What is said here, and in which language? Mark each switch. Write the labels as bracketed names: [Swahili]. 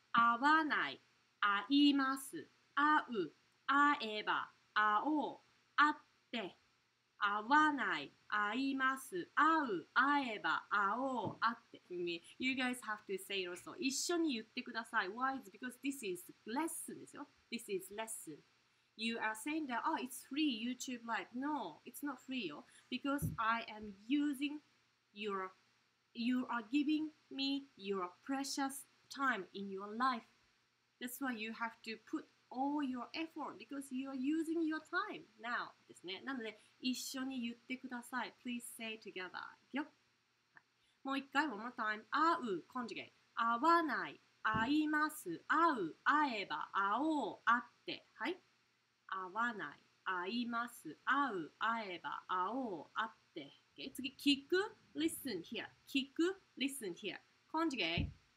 [Japanese] あわない、あいます。あう、あえば、あおう、あって。あわない、あいます。あう、あえば、あおう、あって。 [English] You guys have to say it also. [Japanese] 一緒に言ってください。 [English] Why? It's because this is lesson [Japanese] ですよ。 [English] This is lesson. You are saying that, oh, it's free YouTube live. No, it's not free, yo. Because I am using your, you are giving me your precious time in your life. That's why you have to put all your effort because you are using your time now. [Japanese] ですね。なので、一緒に言ってください。 [English] Please say together. OK? [Japanese] よ。もう一回、 [English] one more time。 [Japanese] 会う、conjugate。会わない、会います、会う、会えば、会おう、会って。はい。会わない、会います、会う、会えば、会おう、会って。 [English] Okay、 [Japanese] 次、聞く、 [English] listen here。聞く、listen here。conjugate。